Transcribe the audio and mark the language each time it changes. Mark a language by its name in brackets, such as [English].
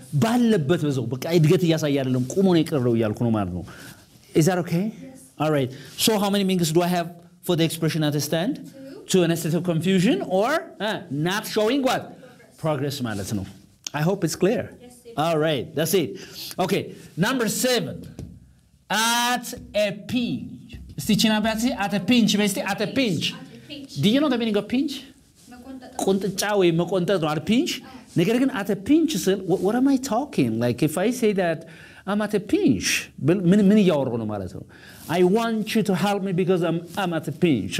[Amharic] ባለበት በዛው በቃ እድገት ያሳያለም ቆሞ ነው ይቀርለው ይያልኩ ነው ማለት ነው [English] Is that okay? Yes. All right. So how many meanings do I have for the expression at a stand? Two. To an estate of confusion or not showing what? Progress [Amharic] ማለት ነው. [English] I hope it's clear. Yes, sir. All right. That's it. Okay. Number 7. At a pinch. Stitching up at a pinch, basically at a pinch. Do you know the meaning of pinch? [Amharic] መቆንጠጥ ወይ መቆንጠጥ ነው አይደል [English] pinch? [Amharic] ነገር ግን [English] at a pinch ስል what am I talking? Like if I say that I'm at a pinch, [Amharic] ምን እያወራሁ ነው ማለት ነው? [English] I want you to help me because I'm at a pinch.